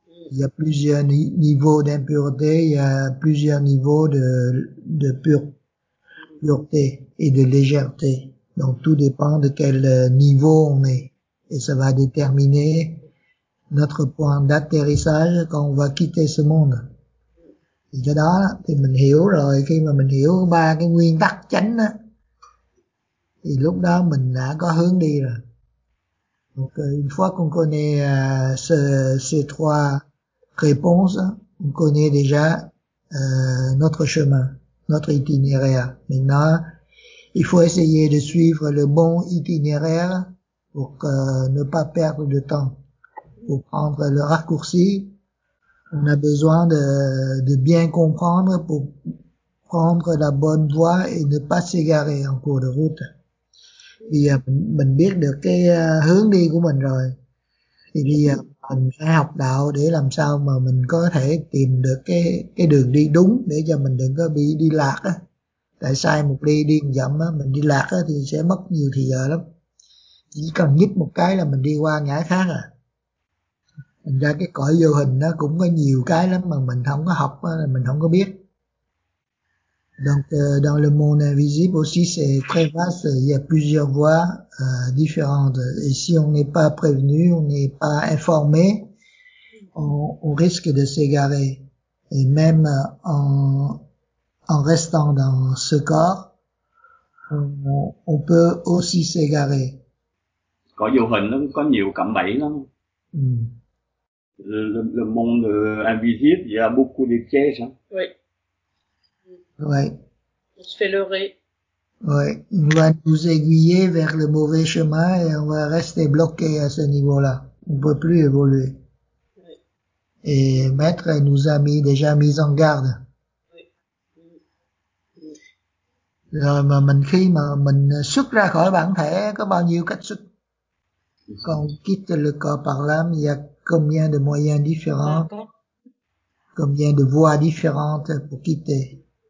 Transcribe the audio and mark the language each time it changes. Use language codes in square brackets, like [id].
[fr] Il y a plusieurs ni niveaux d'impureté, il y a plusieurs niveaux de pureté et de légèreté. Donc tout dépend de quel niveau on est et ça va déterminer notre point d'atterrissage quand on va quitter ce monde. [vi] Thì cái đó thì mình hiểu rồi, khi mà mình hiểu ba cái nguyên tắc chánh á thì lúc đó mình đã có hướng đi rồi. [fr] Donc, une fois qu'on connaît ces trois réponses, on connaît déjà notre chemin, notre itinéraire. Maintenant, il faut essayer de suivre le bon itinéraire pour ne pas perdre de temps. Pour prendre le raccourci, on a besoin de bien comprendre pour prendre la bonne voie et ne pas s'égarer en cours de route. [vi] Bây giờ mình biết được cái hướng đi của mình rồi, thì bây giờ mình phải học đạo để làm sao mà mình có thể tìm được cái đường đi đúng để cho mình đừng có bị đi lạc á. Tại sai một đi đi dặm á, mình đi lạc á thì sẽ mất nhiều thời giờ lắm. Chỉ cần nhích một cái là mình đi qua ngã khác à. Thành ra cái cõi vô hình nó cũng có nhiều cái lắm mà mình không có học là mình không có biết. [fr] Donc dans le monde invisible aussi c'est très vaste, il y a plusieurs voies différentes et si on n'est pas prévenu, on n'est pas informé, on risque de s'égarer et même en restant dans ce corps, on peut aussi s'égarer. [vi] Cõi vô hình nó có nhiều cạm bẫy lắm. [fr] le monde invisible, il y a beaucoup de pièges. Hein. Oui. Oui. On se fait leurrer. Oui. On va nous aiguiller vers le mauvais chemin et on va rester bloqué à ce niveau-là. On ne peut plus évoluer. Et Maître nous a mis, déjà mis en garde. [vi] Rồi mà mình khi mà mình xuất ra khỏi bản thể có bao nhiêu cách xuất. [fr] Còn quitte le corps par l'âme, il y a combien de moyens différents, combien de voies différentes pour quitter.